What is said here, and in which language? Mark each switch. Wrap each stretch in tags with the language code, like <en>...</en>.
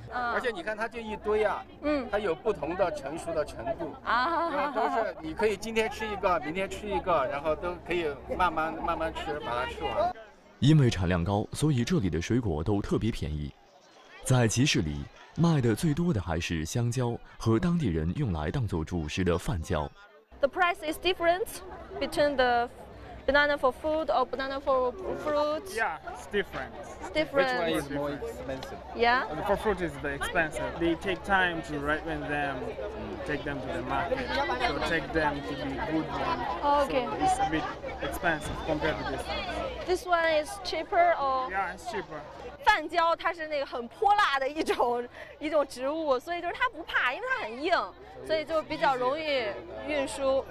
<zh>而且你看它这一堆啊，它有不同的成熟的程度啊，都是你可以今天吃一个，明天吃一个，然后都可以慢慢慢慢吃，把它吃完。因为产量高，所以这里的水果都特别便宜。在集市里卖的最多的还是香蕉和当地人用来当做主食的饭蕉。</zh> <en>The price is different between the banana for food or banana for fruit. Yeah, it's different. It's different. Which one is more expensive? Yeah. For fruit is the expensive. They take time to ripen them, take them to the market, so take them to the good one. Okay. So it's a bit expensive compared to this one. This one is cheaper or? Yeah, it's cheaper.</en> <zh>饭蕉它是那个很泼辣的一种植物，所以就是它不怕，因为它很硬，所以就比较容易运输。</zh>